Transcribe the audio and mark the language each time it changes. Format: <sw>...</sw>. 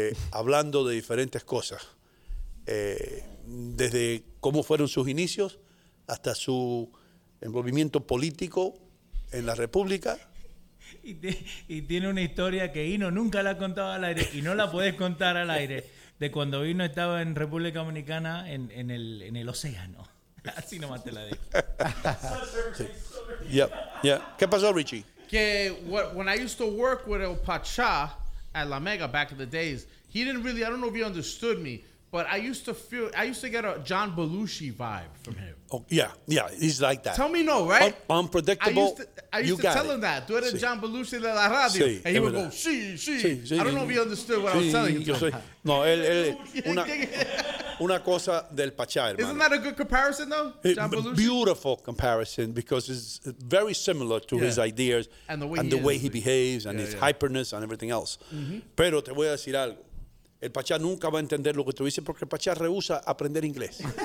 <es>hablando de diferentes cosas, desde cómo fueron sus inicios hasta su envolvimiento político en la República. Y tiene una historia que Hino nunca la ha contado al aire y no la puedes contar al aire, de cuando Hino estaba en República Dominicana en el océano. Así nomás te la dejo.</es> <en>Yeah.</en> <es>¿Qué pasó, Richie? Que</es> <en>when I used to work with El Pacha at La Mega back in the days, he didn't really, I don't know if he understood me, but I used to get a John Belushi vibe from him. Oh, yeah, he's like that. Tell me no, right? Unpredictable. I used to tell him that.</en> <es>Tú eres John Belushi de la radio.</es> <en>Sí, and he would go, sí. I don't know if he understood what I was telling you.</en> <es>No, él una cosa del Pachá, hermano.</es> <en>Isn't that a good comparison, though, John Belushi? Beautiful comparison, because it's very similar to his ideas and the way, and the way he behaves and his hyperness and everything else.</en> <es>Mm-hmm. Pero te voy a decir algo. El Pachá nunca va a entender lo que tú dices porque el Pachá rehúsa aprender inglés.</es>